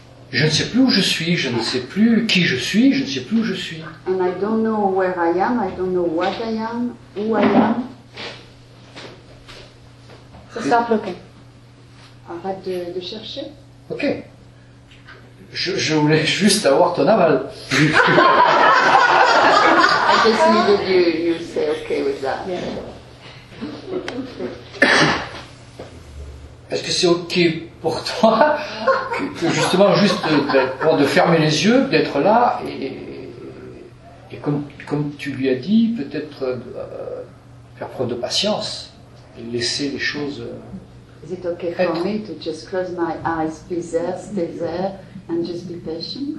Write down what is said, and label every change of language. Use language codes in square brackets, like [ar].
[fr] Je ne sais plus où je suis, je ne sais plus qui je suis, je ne sais plus où je suis. [en] And I don't know where I don't know what I am, who I am. So stop looking. [fr] Arrête de chercher. Ok. Je voulais juste avoir ton aval. [en] I just needed you say okay with that. Yeah. [fr] Est-ce que c'est okay pour toi que justement juste de fermer les yeux, d'être là et comme tu lui as dit, peut-être faire preuve de patience et laisser les choses. [en] Is it okay for me to just close my eyes, be there, stay there, and just be patient?